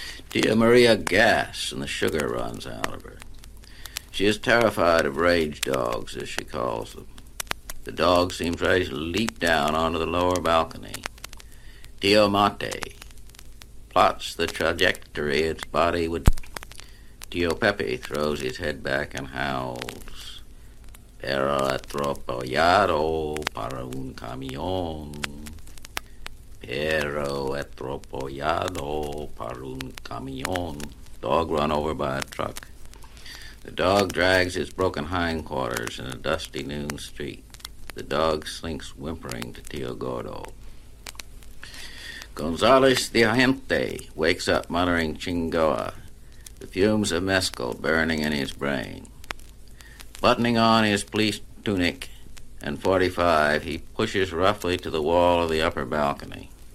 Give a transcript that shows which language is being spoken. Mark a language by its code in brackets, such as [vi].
[en] Tia Maria gasps, and the sugar runs out of her. She is terrified of rage dogs, as she calls them. The dog seems ready to leap down onto the lower balcony. Tio Matty plots the trajectory its body would... Tio Pepe throws his head back and howls. [es] Era atropellado para un camión. Pero atropellado para un camión. [en] Dog run over by a truck. The dog drags its broken hindquarters in a dusty noon street. The dog slinks whimpering to Tio Gordo. Gonzalez de Agente wakes up muttering Chingoa. the fumes of mescal burning in his brain. Buttoning on his police tunic and .45, he pushes roughly to the wall of the upper balcony.